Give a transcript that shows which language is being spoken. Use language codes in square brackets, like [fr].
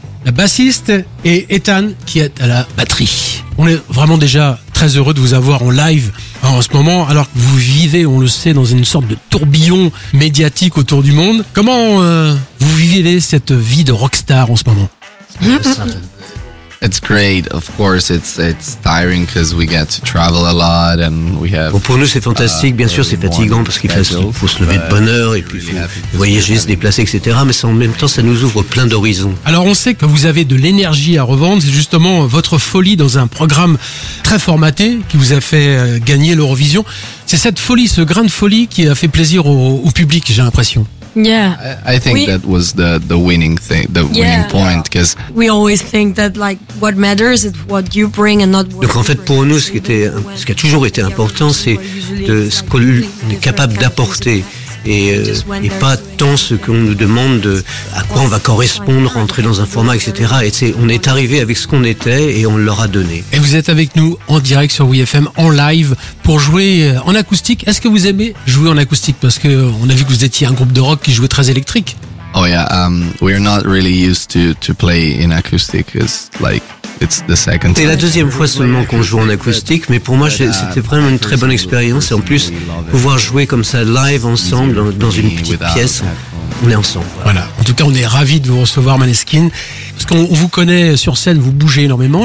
[fr] La bassiste. Et Ethan qui est à la batterie. On est vraiment déjà très heureux de vous avoir en live en ce moment, alors que vous vivez, on le sait, dans une sorte de tourbillon médiatique autour du monde. Comment vous vivez cette vie de rockstar en ce moment? [en] It's great, of course. It's tiring because we get to travel a lot and we have. [fr] Bon, pour nous, c'est fantastique. Bien sûr, c'est fatigant parce qu'il faut se lever de bonne heure et puis voyager, se déplacer, etc. Mais en même temps, ça nous ouvre plein d'horizons. Alors, on sait que vous avez de l'énergie à revendre. C'est justement votre folie dans un programme très formaté qui vous a fait gagner l'Eurovision. C'est cette folie, ce grain de folie qui a fait plaisir au public, j'ai l'impression. [en] Yeah, I think that was the winning thing, the winning point. Because we always think that like what matters is what you bring and not. [fr] Donc en fait pour nous ce qui a toujours été important c'est de ce qu'on est capable d'apporter et pas tant ce qu'on nous demande de à quoi on va correspondre, rentrer dans un format, etc. Et c'est on est arrivé avec ce qu'on était et on leur a donné. Et vous êtes avec nous en direct sur WeFM en live pour jouer en acoustique. Est-ce que vous aimez jouer en acoustique? Parce que on a vu que vous étiez un groupe de rock qui jouait très électrique. [en] Oh yeah, we're not really used to play in acoustic. It's like it's the second. [fr] C'est la deuxième fois seulement qu'on joue en acoustique, mais pour moi c'était vraiment une très bonne expérience. Et en plus, pouvoir jouer comme ça live ensemble dans une petite pièce, on est ensemble. Voilà. En tout cas, on est ravis de vous recevoir, Maneskin. Parce qu'on vous connaît sur scène, vous bougez énormément.